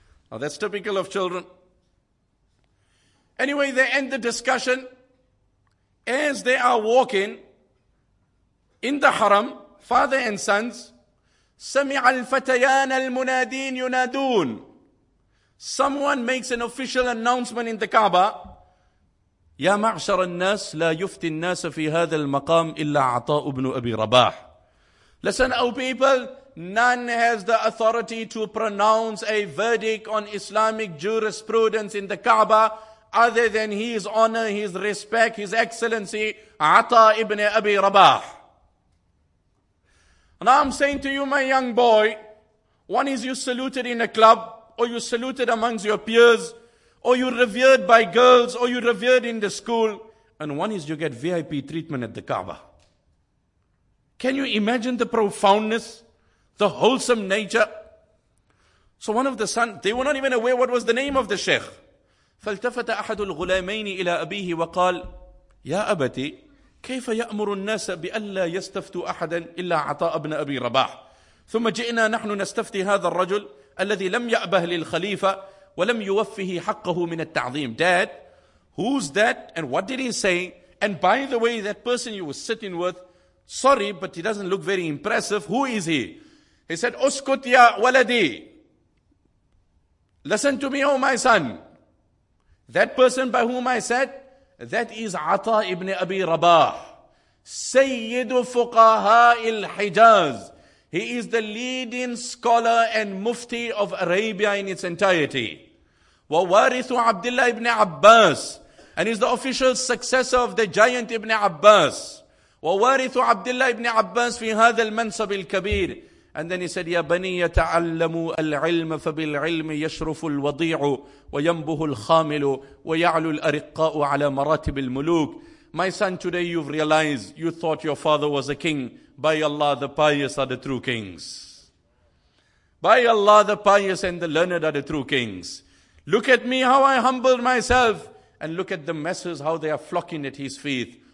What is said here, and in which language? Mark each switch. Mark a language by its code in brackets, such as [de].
[en] Now that's typical of children. Anyway, they end the discussion. As they are walking in the haram, father and sons, [ar] سَمِعَ الْفَتَيَانَ الْمُنَادِينَ يُنَادُونَ [en] Someone makes an official announcement in the Kaaba. [ar] يا معشر الناس لا يفتي الناس في هذا المقام إلا عطاء بن أبي رباح. [en] Listen, O people, none has the authority to pronounce a verdict on Islamic jurisprudence in the Kaaba other than his honor, his respect, his excellency, Ata ibn Abi Rabah. And I'm saying to you, my young boy, one is you saluted in a club, or you saluted amongst your peers, or you revered by girls, or you revered in the school, and one is you get VIP treatment at the Kaaba. Can you imagine the profoundness, the wholesome nature? So one of the sons, they were not even aware what was the name of the sheikh. [ar] فالتفت أحد الغلامين إلى أبيه وقال يا أبتي كيف يأمر الناس بألا يستفتوا أحدا إلا عطاء ابن أبي رباح ثم جئنا نحن نستفتي هذا الرجل الذي لم يأبه للخليفة ولم يوفه حقه من التعظيم. [en] Dad, who's that and what did he say? And by the way, that person you were sitting with, sorry, but he doesn't look very impressive. Who is he? He said, [ar] أسكت يا ولدي. [en] Listen to me, oh my son. That person by whom I sat, that is Ata ibn Abi Rabah, [ar] Sayyidu Fuqaha al-Hijaz. [en] He is the leading scholar and mufti of Arabia in its entirety. [ar] Wa warithu [en] Abdullah ibn Abbas, and is the official successor of the giant ibn Abbas. [ar] Wa warithu Abdullah ibn Abbas fi hadha al-mansab al-kabir. [en] And then he said, [ar] يَا بَنِيَ تَعَلَّمُوا الْعِلْمَ فَبِالْعِلْمِ يَشْرُفُ الْوَضِيعُ وَيَنْبُهُ الْخَامِلُ وَيَعْلُوا الْأَرِقَّاءُ عَلَى مَرَاتِبِ الْمُلُوكِ. [en] My son, today you've realized, you thought your father was a king. By Allah, the pious are the true kings. By Allah, the pious and the learned are the true kings. Look at me, how I humbled myself. And look at the masses, how they are flocking at his feet.